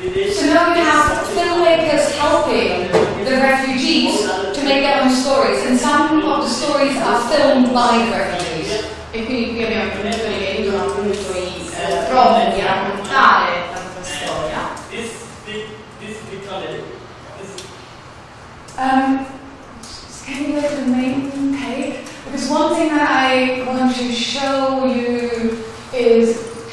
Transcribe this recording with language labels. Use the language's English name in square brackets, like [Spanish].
[English] So now we have filmmakers helping the refugees to make their own stories, and some of the stories are filmed by refugees. [Italian] E quindi qui abbiamo i filmmakers che vengono appunto i profughi a raccontare la propria storia. [English] Can you go to the main page? Because one thing that I want to show you is.